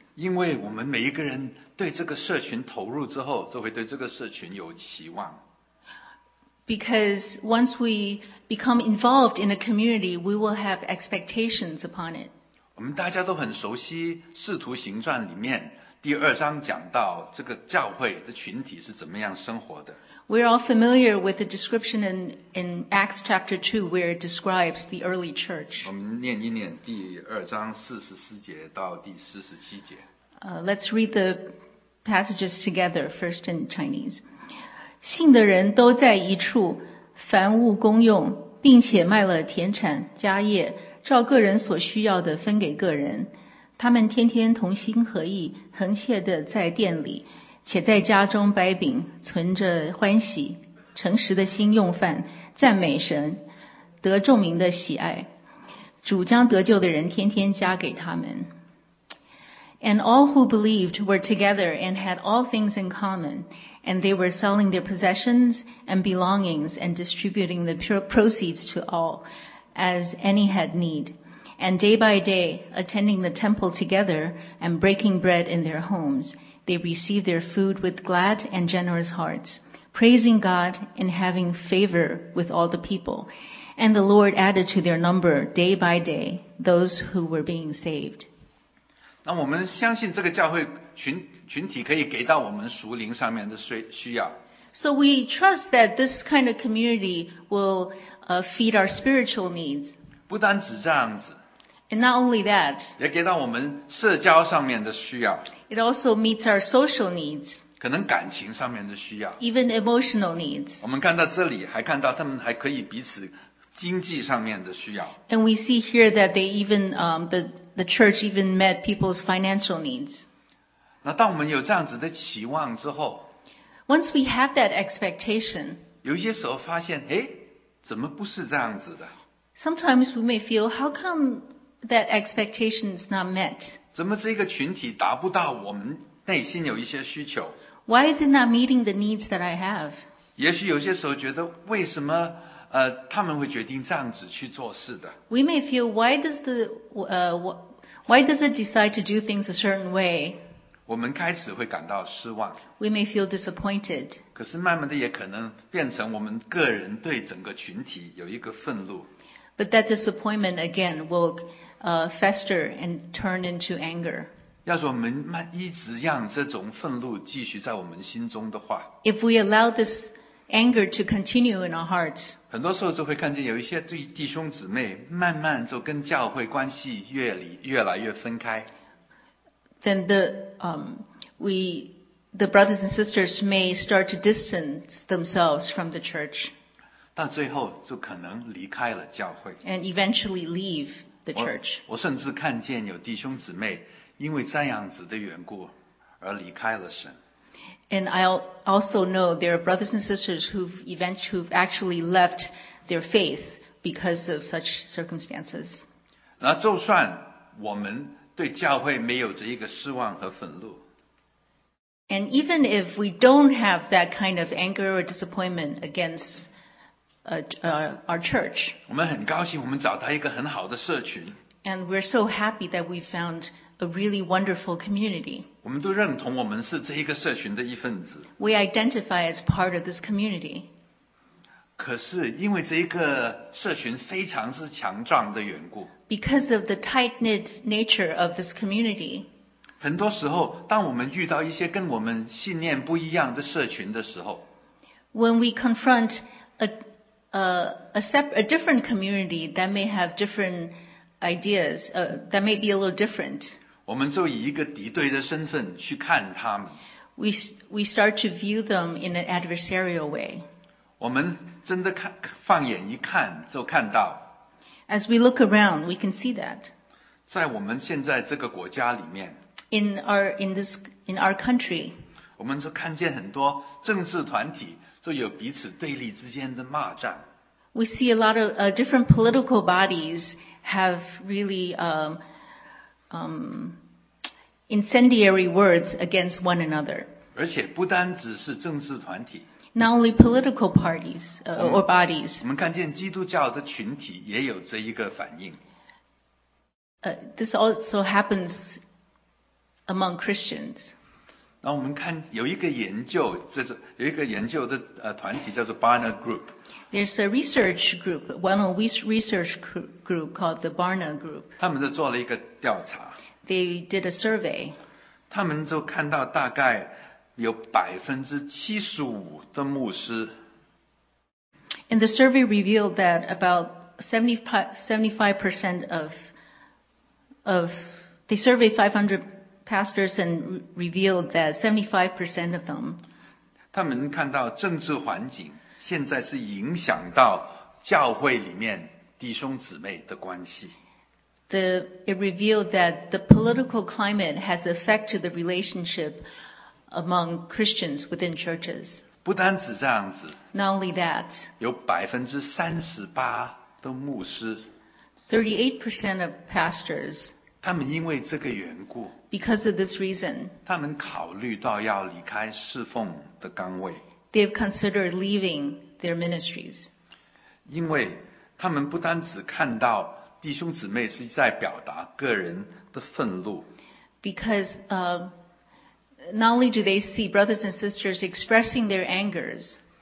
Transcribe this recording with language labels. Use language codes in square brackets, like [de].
[zh] 因为我们每一个人对这个社群投入之后，就会对这个社群有期望。 [en] Because once we become involved in a community, we will have expectations upon it. [zh] 我们大家都很熟悉《使徒行传》里面第二章讲到这个教会的群体是怎么样生活的。 [en] We're all familiar with the description in Acts chapter 2 where it describes the early church. [zh] 我们念一念第二章四十四节到第四十七节。 [en] Let's read the passages together, first in Chinese. [zh] 信的人都在一处，凡物公用，并且卖了田产、家业，照个人所需要的分给个人。他们天天同心合意，恒切地在殿里。且在家中掰饼，存着欢喜，诚实的心用饭，赞美神，得众民的喜爱。主将得救的人天天加给他们。 [en] And all who believed were together and had all things in common, and they were selling their possessions and belongings and distributing the proceeds to all, as any had need. And day by day, attending the temple together and breaking bread in their homes,They received their food with glad and generous hearts, praising God and having favor with all the people. And the Lord added to their number, day by day, those who were being saved. [zh] 那我们相信这个教会 群体可以给到我们属灵上面的需要。 [en] So we trust that this kind of community will feed our spiritual needs. [zh] 不单只这样子。 [en] And not only that, [zh] 也给到我们社交上面的需要。 [en] It also meets our social needs. [zh] 可能感情上面的需要。 [en] Even emotional needs. [zh] 我们看到这里还看到他们还可以彼此经济上面的需要。 [en] And we see here that they even, the church even met people's financial needs. [zh] 那当我们有这样子的期望之后， [en] Once we have that expectation, [zh] 有些时候发现，诶，怎么不是这样子的？ [en] Sometimes we may feel, how come that expectation is not met? [zh] 怎么这个群体达不到我们内心有一些需求？ [en] Why is it not meeting the needs that I have? [zh] 也许有些时候觉得为什么他们会决定这样子去做事的？ [en] We may feel why does it decide to do things a certain way? [zh] 我们开始会感到失望。 [en] We may feel disappointed. [zh] 可是慢慢的也可能变成我们个人对整个群体有一个愤怒。 [en] But that disappointment again will fester and turn into anger. [zh] 要是我们一直让这种愤怒继续在我们心中的话， [en] If we allow this anger to continue in our hearts, [zh] 很多时候就会看见有一些弟兄姊妹慢慢就跟教会关系越来越分开。 [en] Then the brothers and sisters may start to distance themselves from the church. [zh] 到最后就可能离开了教会。 [en] And eventually leave the church. [zh] 我甚至看见有弟兄姊妹因为这样子的缘故而离开了神。 [en] And I also know there are brothers and sisters who've actually left their faith because of such circumstances. [zh] 那就算我们对教会没有这一个失望和愤怒。 [en] And even if we don't have that kind of anger or disappointment against our church. [zh] 我们很高兴我们找到一个很好的社群。 [en] And we're so happy that we found a really wonderful community. [zh] 我们都认同我们是这一个社群的一份子。 [en] We identify as part of this community. [zh] 可是因为这一个社群非常是强壮的缘故。 [en] Because of the tight-knit nature of this community. [zh] 很多时候当我们遇到一些跟我们信念不一样的社群的时候。 [en] When we confront a different community that may have different ideas, that may be a little different. [zh] 我们就以一个敌对的身份去看他们。 [en] We start to view them in an adversarial way. [zh] 我们真的看放眼一看就看到。 [en] As we look around, we can see that. [zh] 在我们现在这个国家里面 [en] in our country [zh] 我们就看见很多政治团体就有彼此对立之间的骂战。 [en] We see a lot of different political bodies have really incendiary words against one another. [zh] 而且不单只是政治团体。 [en] Not only political parties or bodies. [zh] 我们看见基督教的群体也有这一个反应。 [en] This also happens among Christians. [zh] 那我们看有一个研究，这个有一个研究的团体叫做 Barna Group。 [en] There's a research group, one research group called the Barna Group. [zh] 他们就做了一个调查。 [en] They did a survey. [zh] 他们就看到大概有75%的牧师。 [en] And the survey revealed that about 75% of they surveyed 500. Pastors and revealed that 75% of them. [zh] 他们看到政治环境现在是影响到教会里面弟兄姊妹的关系。 [en] It revealed that the political climate has affected the relationship among Christians within churches. [zh] 不单只这样子。 [en] Not only that. [zh] 有38%的牧师。 [en] 38% of pastors. [zh] 他们因为这个缘故 [en] Because of this reason, [zh] 他们考虑到要离开侍奉的岗位 [en] They've considered leaving their ministries. [zh] 因为他们不单只看到弟兄姊妹是在表达个人的愤怒 [en] Because not only do they see brothers and sisters expressing their angers,